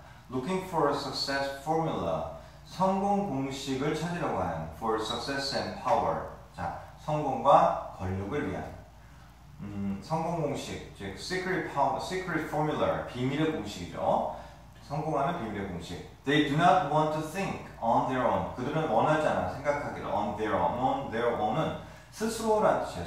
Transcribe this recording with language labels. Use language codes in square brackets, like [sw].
[en] Looking for a success formula. [ko] 성공 공식을 찾으려고 하는 [en] for success and power. [ko] 자, 성공과 권력을 위한 성공 공식, 즉 secret formula, 비밀의 공식이죠. 성공하는 비밀의 공식. [en] They do not want to think on their own. [ko] 그들은 원하지 않아 생각하기를 [en] on their own. On their own [ko] 은 스스로라는 뜻이에요.